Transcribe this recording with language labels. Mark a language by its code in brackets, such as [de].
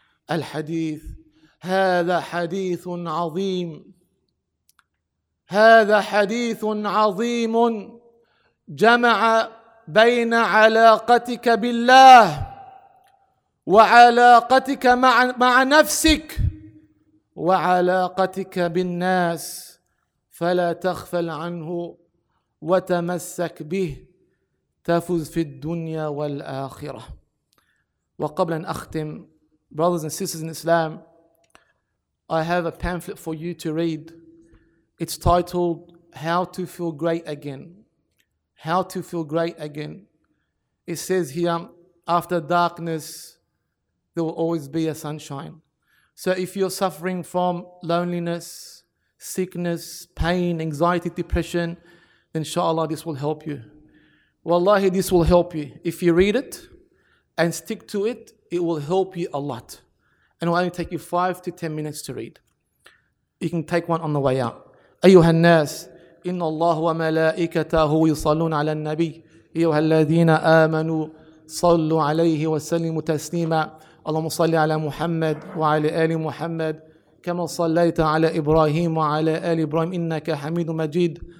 [ar] الحديث، هذا حديث عظيم، هذا حديث عظيم جمع بين علاقتك بالله وعلاقتك مع نفسك وعلاقتك بالناس، فلا تغفل عنه وتمسك به تفوز في الدنيا والآخرة. وقبل أن أختم، [en] brothers and sisters in Islam, I have a pamphlet for you to read. It's titled How to Feel Great Again. How to Feel Great Again. It says here, after darkness, there will always be a sunshine. So if you're suffering from loneliness, sickness, pain, anxiety, depression, then inshallah this will help you. Wallahi, this will help you. If you read it and stick to it, it will help you a lot. And it will only take you 5 to 10 minutes to read. You can take one on the way out. [ar] أيها الناس، إن الله وملائكته يصلون على النبي، أيها الذين آمنوا صلوا عليه وسلموا تسليما. اللهم صل على محمد وعلى آل محمد كما صليت على إبراهيم وعلى آل إبراهيم إنك حميد مجيد.